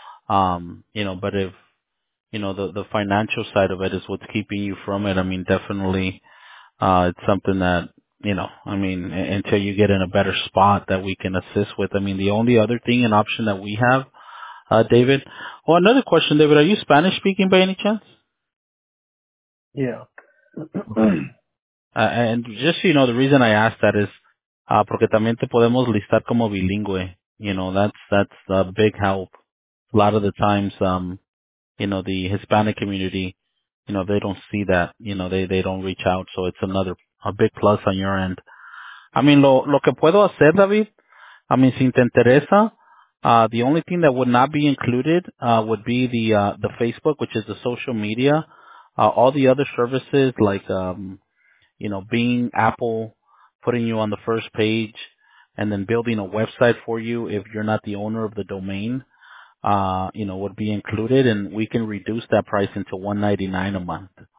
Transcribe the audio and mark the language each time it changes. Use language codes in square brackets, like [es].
[en] You know, but if, you know, the financial side of it is what's keeping you from it, I mean, definitely, it's something that, you know, I mean, until you get in a better spot that we can assist with. I mean, the only other thing and option that we have, David. Well, another question, David, are you Spanish speaking by any chance? Yeah. And just so you know, the reason I asked that is, [es] porque también te podemos listar como bilingüe. [en] You know, that's a big help. A lot of the times, you know, the Hispanic community, you know, they don't see that, you know, they don't reach out. So it's another, a big plus on your end. I mean, [es] lo que puedo hacer, [en] David, I mean, [es] si te interesa, [en] the only thing that would not be included, would be the Facebook, which is the social media, all the other services like, you know, Bing, Apple, putting you on the first page and then building a website for you if you're not the owner of the domain, you know, would be included, and we can reduce that price into $199 a month.